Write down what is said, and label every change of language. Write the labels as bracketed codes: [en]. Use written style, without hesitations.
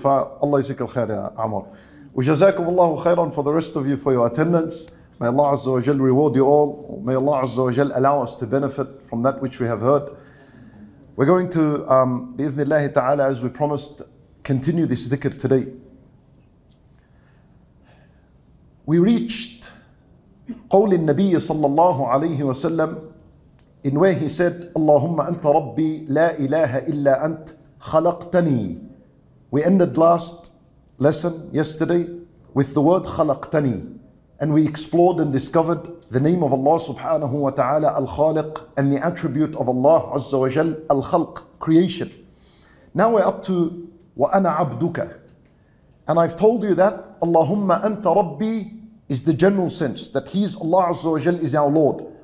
[ar] Fa Allah yajzikal khair ya Amr. وجزاكم الله خيرا for the rest of you for your attendance. [en] May Allah Azza wa Jal reward you all. May Allah Azza wa Jal allow us to benefit from that which we have heard. We're going to, بإذن الله تعالى, as we promised, continue this dhikr today. [ar] We reached قول النبي صلى الله عليه وسلم in where he said, اللهم أنت ربي لا إله إلا أنت خلقتني. [en] We ended last lesson yesterday with the word khalaqtani, and we explored and discovered the name of Allah subhanahu wa ta'ala, al-khaliq, and the attribute of Allah azza wa jal, al-khalq, creation. Now we're up to wa ana abduka, and I've told you that Allahumma anta rabbi is the general sense that He's Allah azza wa jal, is our Lord.